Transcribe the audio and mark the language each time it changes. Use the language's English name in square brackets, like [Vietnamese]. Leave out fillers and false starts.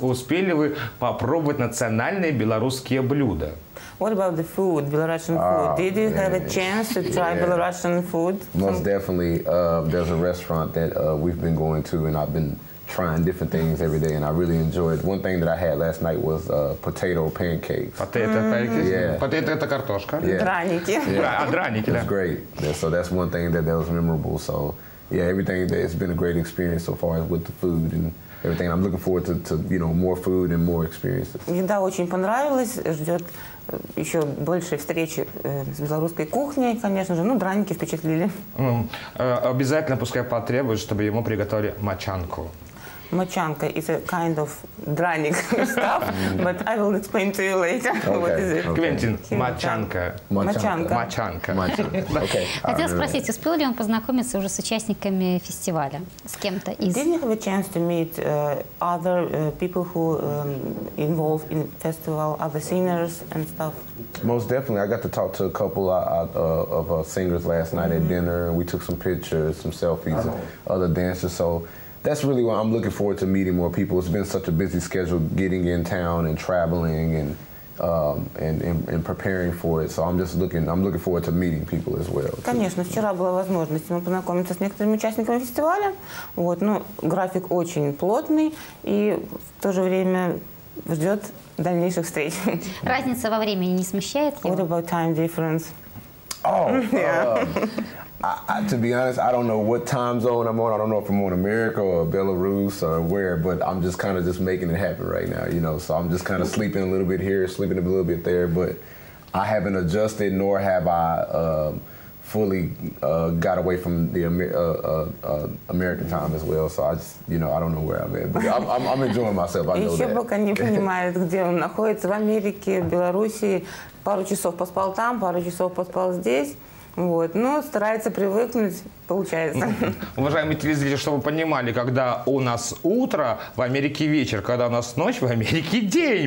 [Russian] Успели вы попробовать национальные белорусские блюда? [English] What about the food, Belarusian food? Did you have a chance to try Belarusian food? Most definitely. There's a restaurant that we've been going to, and I've been trying different things every day, and I really enjoyed. One thing that I had last night was potato pancakes. Potato pancakes? Yeah. Potato — [Russian] это картошка. Yeah. Драники. Yeah. А драники, [English] да. It's great. Yeah, so that's one thing that was memorable. So, yeah, everything, that it's been a great experience so far with the food and everything. I'm looking forward to you know, more food and more experiences. [Russian] Еда очень понравилась, ждет еще больше встречи с белорусской кухней, конечно же. Ну, драники впечатлили. Ну, обязательно пускай потребует, чтобы ему приготовили мочанку. [English] Мочанка is a kind of драник stuff, but I will explain to you later. Okay. What is it? Квентин, мочанка. [Russian] Мочанка. Мочанка. Хотел спросить, успел ли он познакомиться уже с участниками фестиваля? С кем-то из... [English] Did you have a chance to meet other people who involved in festival, other singers and stuff? Most definitely. I got to talk to a couple of singers last night at dinner. We took some pictures, some selfies, other dancers. So that's really what I'm looking forward to, meeting more people. It's been such a busy schedule getting in town and traveling and preparing for it. So I'm looking forward to meeting people as well. Too. [Russian] Конечно, вчера была возможность ему познакомиться с некоторыми участниками фестиваля. Вот, ну, график очень плотный, и в то же время ждет дальнейших встреч. Разница во времени не смущает его? [English] What about time difference? Oh, yeah. I, to be honest, I don't know what time zone I'm on. I don't know if I'm on America or Belarus or where, but I'm just kind of just making it happen right now, you know. So I'm just kind of sleeping a little bit here, sleeping a little bit there, but I haven't adjusted, nor have I fully got away from the American time as well. So I just, you know, I don't know where I'm at, but I'm enjoying myself. I know [Russian] that. Еще пока не понимает, где он находится, в Америке, Беларуси. Пару часов поспал там, пару часов поспал здесь. Вот, но старается привыкнуть, получается. Уважаемые телезрители, чтобы вы понимали, когда у нас утро, в Америке вечер, когда у нас ночь, в Америке день.